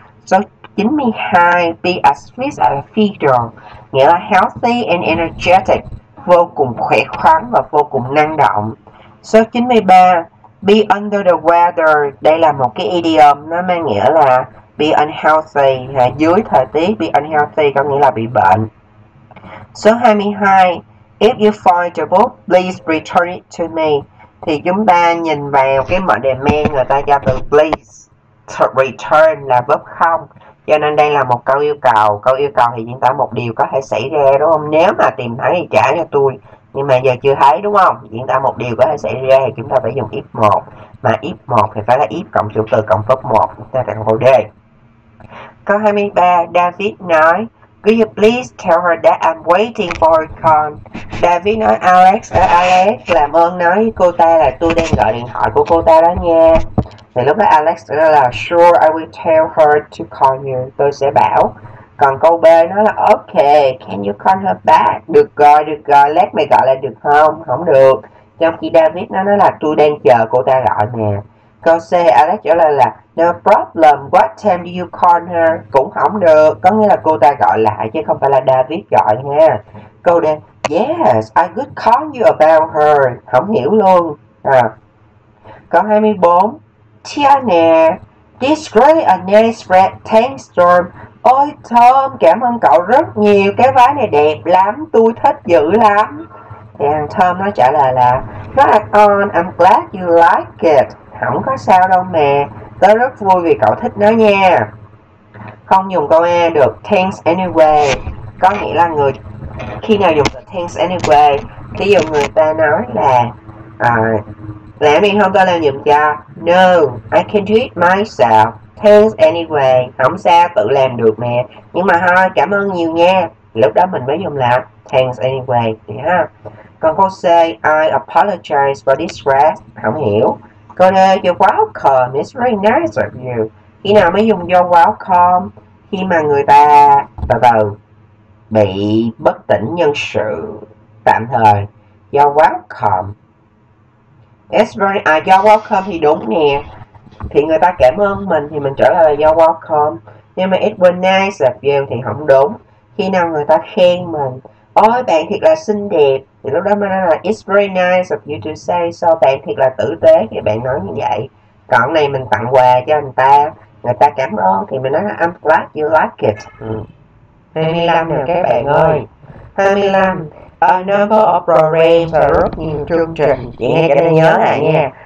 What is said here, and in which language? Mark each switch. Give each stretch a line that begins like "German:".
Vietnamese: Số 92,
English: be as fit as a fiddle,
Vietnamese: nghĩa là
English: healthy and energetic,
Vietnamese: vô cùng khỏe khoắn và vô cùng năng động. Số 93,
English: be under the weather,
Vietnamese: đây là một cái idiom, nó mang nghĩa là
English: be unhealthy,
Vietnamese: dưới thời tiết.
English: Be unhealthy
Vietnamese: có nghĩa là bị bệnh.
English: Số 22, if you find the book, please return it to me.
Vietnamese: Thì chúng ta nhìn vào cái mệnh đề me, người ta cho từ
English: please to return
Vietnamese: là verb không, cho nên đây là một câu yêu cầu. Câu yêu cầu thì diễn tả một điều có thể xảy ra đúng không, nếu mà tìm thấy thì trả cho tôi, nhưng mà giờ chưa thấy đúng không. Diễn tả một điều có thể xảy ra thì chúng ta phải dùng if một, mà if một thì phải là if cộng chủ từ cộng verb một, chúng ta phải câu d. Câu 23, David nói
English: could you please tell her that I'm waiting for a call.
Vietnamese: David nói Alex, Alex làm ơn nói cô ta là tôi đang gọi điện thoại của cô ta đó nha. Thì lúc đó Alex nói là
English: sure I will tell her to call you,
Vietnamese: tôi sẽ bảo. Còn câu B nói là
English: ok, can you call her back,
Vietnamese: được gọi,
English: let me
Vietnamese: gọi lại được không, không được. Trong khi David nói là tôi đang chờ cô ta gọi nè. Câu C, Alex trả lời là
English: no problem, what time do you call her?
Vietnamese: Cũng không được, có nghĩa là cô ta gọi lại chứ không phải là David gọi nha. Câu D,
English: yes, I could call you about her.
Vietnamese: Không hiểu luôn. Câu 24, Tiana,
English: this great a nice rainstorm.
Vietnamese: Ôi Tom, cảm ơn cậu rất nhiều, cái váy này đẹp lắm, tôi thích dữ lắm.
English: And Tom
Vietnamese: nó trả lời là
English: right on, I'm glad you like it.
Vietnamese: Không có sao đâu mẹ, tớ rất vui vì cậu thích nó nha. Không dùng câu E được,
English: thanks anyway.
Vietnamese: Có nghĩa là người khi nào dùng được thanks anyway, ví dụ người ta nói là làm gì không tớ làm giùm cho.
English: No, I can do it myself. Thanks anyway,
Vietnamese: không sao tự làm được mẹ. Nhưng mà thôi, cảm ơn nhiều nha. Lúc đó mình mới dùng là
English: thanks anyway,
Vietnamese: ha. Còn câu C,
English: I apologize for this rest.
Vietnamese: Không hiểu. Câu D,
English: you're welcome, it's very nice of you.
Vietnamese: Khi nào mới dùng you're welcome? Khi mà người ta từ từ bị bất tỉnh nhân sự tạm thời.
English: You're welcome. It's very, you're welcome
Vietnamese: thì đúng nè. Thì người ta cảm ơn mình thì mình trả lời là
English: you're welcome.
Vietnamese: Nhưng mà
English: it was nice of you
Vietnamese: thì không đúng. Khi nào người ta khen mình, ôi bạn thiệt là xinh đẹp, thì lúc đó mới nói là
English: it's very nice of you to say so,
Vietnamese: bạn thiệt là tử tế thì bạn nói như vậy. Còn này mình tặng quà cho người ta, người ta cảm ơn thì mình nói là
English: I'm glad you like it.
Vietnamese: 25 nè các bạn ơi, 25,
English: a number of programs,
Vietnamese: rất nhiều chương trình, chị nghe cái này nhớ lại nha.